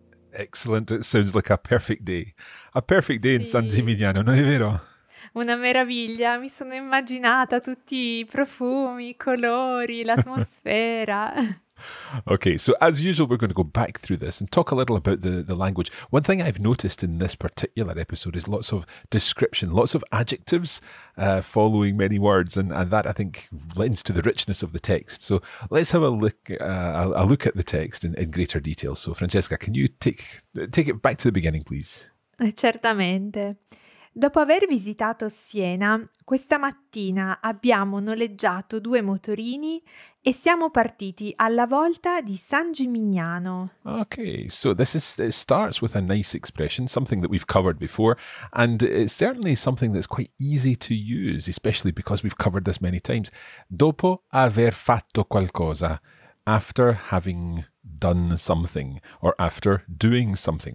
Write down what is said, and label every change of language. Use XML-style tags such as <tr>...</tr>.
<en>Excellent. It sounds like a perfect day. A perfect day,</en> <it>sì, in San Gimignano, non è vero? Una meraviglia. Mi sono immaginata tutti i profumi, i colori, l'atmosfera.</it> <en>Okay, so as usual, we're going to go back through this and talk a little about the language. One thing I've noticed in this particular episode is lots of description, lots of adjectives following many words, and that, I think, lends to the richness of the text. So let's have a look at the text in greater detail. So Francesca, can you take it back to the beginning, please?</en> <it>Certamente. Dopo aver visitato Siena, questa mattina abbiamo noleggiato due motorini e siamo partiti alla volta di San Gimignano.</it> <en>Okay, so it starts with a nice expression, something that we've covered before, and it's certainly something that's quite easy to use, especially because we've covered this many times.</en> <it>Dopo aver fatto qualcosa,</it> <en>after having done something, or after doing something.</en>